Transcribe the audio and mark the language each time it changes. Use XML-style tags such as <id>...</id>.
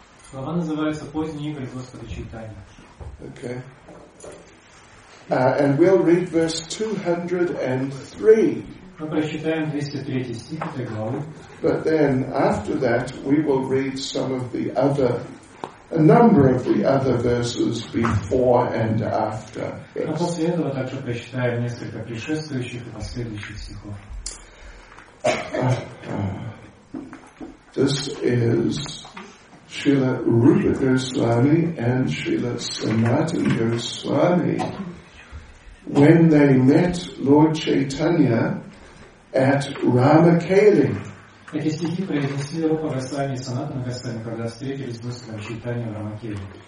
<ru>Слова называются «Поздние игры Господа Чайтаньи».</ru> <en>Okay. And we'll read verse 203.</en> <ru>Мы прочитаем 203 стих этой главы.</ru> <en>But then, after that, we will read some of the other, a number of the other verses before and after.</en> <ru>Но после этого также прочитаем несколько предшествующих и последующих стихов.</ru> <en>This is Srila Rupa Goswami and Srila Sanatan Goswami when they met Lord Chaitanya at Ramakeli.</en> <ru>Эти стихи произнесли Рупа Госвами и Санатана Госвами, когда встретились с Господом Чайтаньей в Рамакели.</ru>